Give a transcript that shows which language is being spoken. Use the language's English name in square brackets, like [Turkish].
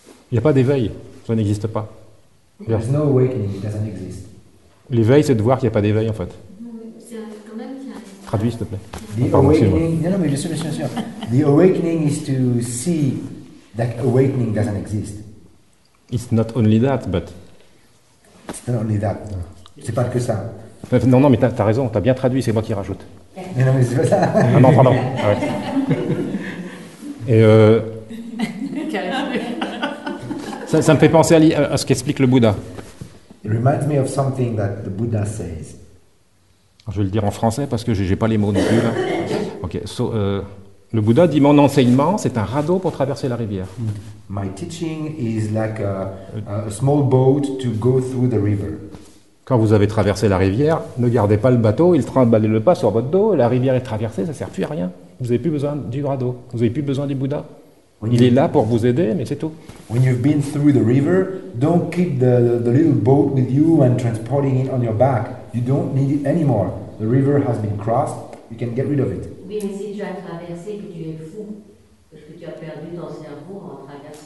[French] Il n'y a pas d'éveil, ça n'existe pas. [English] There's no awakening, it doesn't exist. [French] L'éveil, c'est de voir qu'il n'y a pas d'éveil, en fait. Traduis, s'il te plaît. [English] The awakening is to see that awakening doesn't exist. It's not only that, but... It's not only that. [French] C'est pas que ça. Non, non, mais t'as raison, t'as bien traduit, c'est moi qui rajoute. Mais non, mais c'est pas ça. Ah non, pardon. Ah, ouais. Et... Ça me fait penser à ce qu'explique le Bouddha. [English] It reminds me of something that the Buddha says. [French] Je vais le dire en français parce que j'ai pas les mots non plus là. [English] Ok, so, [French] le Bouddha dit mon enseignement c'est un radeau pour traverser la rivière. [English] My teaching is like a small boat to go through the river. [French] Quand vous avez traversé la rivière, ne gardez pas le bateau, il trimballe le pas sur votre dos, la rivière est traversée, ça ne sert plus à rien. Vous n'avez plus besoin du radeau, vous n'avez plus besoin du Bouddha. When il est là pour vous aider, mais c'est tout. [English] When you've been through the river, don't keep the little boat with you and transporting it on your back. You don't need it anymore. The river has been crossed. You can get rid of it. [French] Oui, mais si tu as traversé, que tu es fou, parce que tu as perdu ton cerveau en traversant.